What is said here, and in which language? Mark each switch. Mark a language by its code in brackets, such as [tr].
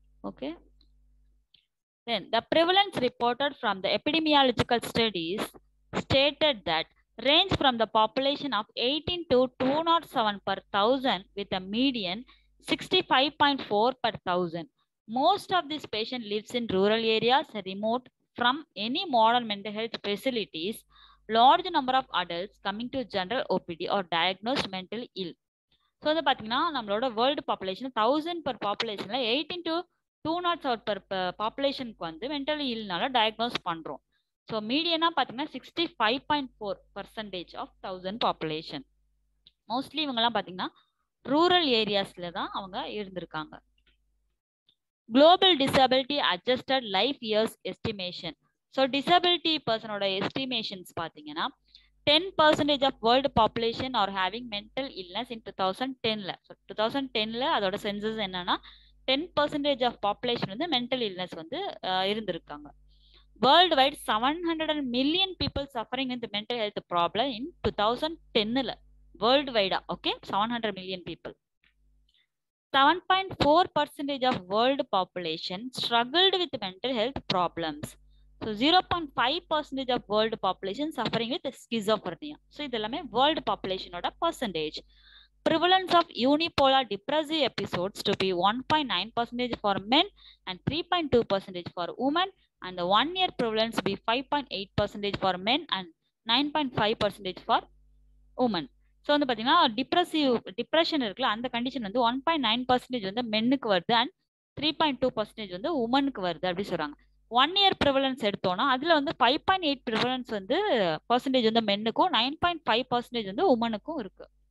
[en] Okay, then the prevalence reported from the epidemiological studies stated that range from the population of 18 to 207 per 1000 with a median 65.4 per 1000. most of these patients lives in rural areas remote from any modern mental health facilities. large number of adults coming to general OPD or diagnosed mentally ill. [ta] so வந்து பாத்தீங்கன்னா நம்மளோட world population 1000 per population ல 18 to 207 per population க்கு வந்து mentally ill னால diagnose பண்றோம். So மீடியனாக பார்த்தீங்கன்னா 65.4% of 1000 population. Mostly இவங்கெல்லாம் பார்த்தீங்கன்னா ரூரல் ஏரியாஸில் தான் அவங்க இருந்திருக்காங்க. [en] Global disability adjusted life years estimation. So disability பர்சனோட estimations பார்த்தீங்கன்னா 10% of world population are having mental illness in 2010. [ta] So 2010 அதோட சென்சஸ் என்னன்னா 10% ஆஃப் பாப்புலேஷன் வந்து மென்டல் இல்னஸ் வந்து இருந்திருக்காங்க. [en] World wide 700 million people suffering இந்த mental health problem in 2010 world வைடா. Okay, 700 million people. 7.4% of world population struggled with mental health problems. So 0.5% of world population suffering with schizophrenia. [ta] So இதெல்லாமே world பாப்புலேஷனோட percentage. [en] Prevalence of unipolar depressive episodes to be 1.9% for men and 3.2% for women. And the 1 year prevalence be 5.8% for men and 9.5% for women. [ta] So வந்து பாத்தீங்கன்னா depressive depression இருக்குல அந்த condition வந்து 1.9% வந்து மென்னுக்கு வருது and 3.2% வந்து உமனுக்கு வருது அப்படி சொல்றாங்க. 1 year prevalence எடுத்தோம்னா அதுல வந்து 5.8 prevalence வந்து percentage வந்து மென்னுக்கும் 9.5% வந்து உமனுக்கும் இருக்கு.